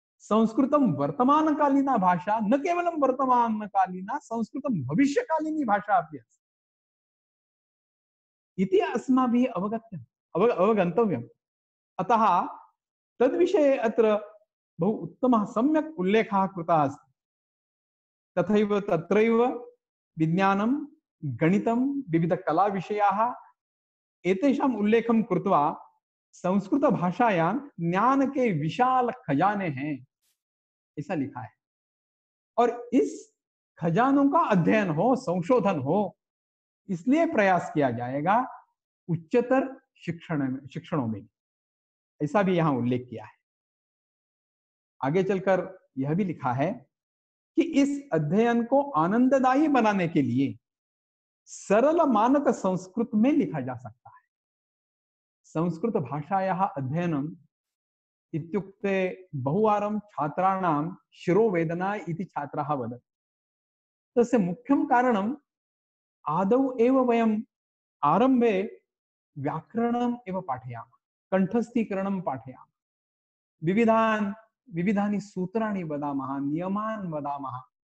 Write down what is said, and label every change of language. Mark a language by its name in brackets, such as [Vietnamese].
[Sanskrit] संस्कृतं वर्तमानकालीना भाषा, न केवलं वर्तमानकालीना, संस्कृतं भविष्यकालीनी भाषा अपि अस्ति इति अस्माभिः अवगन्तव्यम्। अतः तद्विषये अत्र बहु उत्तमः सम्यक् उल्लेखः कृतः अस्ति। तथैव तत्रैव विज्ञानं, गणितं, विविधकलाविषयाः एतेषाम् उल्लेखं कृत्वा संस्कृतभाषायां [Hindi] ज्ञान के विशाल खजाने हैं, ऐसा लिखा है। और इस खजानों का अध्ययन हो, संशोधन हो, इसलिए प्रयास किया जाएगा उच्चतर शिक्षणों में, ऐसा भी यहां उल्लेख किया है। आगे चलकर यह भी लिखा है कि इस अध्ययन को आनंददायी बनाने के लिए सरल मानक संस्कृत में लिखा जा सकता है। [Sanskrit] संस्कृत भाषायाः अध्ययनम् इत्युक्ते बहुवारं छात्राणां शिरोवेदना इति छात्राः वदन्ति। तस्य मुख्यं कारणम् आदौ एव वयम् आरम्भे व्याकरणम् एव पाठयामः, कण्ठस्थीकरणं पाठयामः, विविधानि सूत्राणि वदामः, नियमान् वदामः।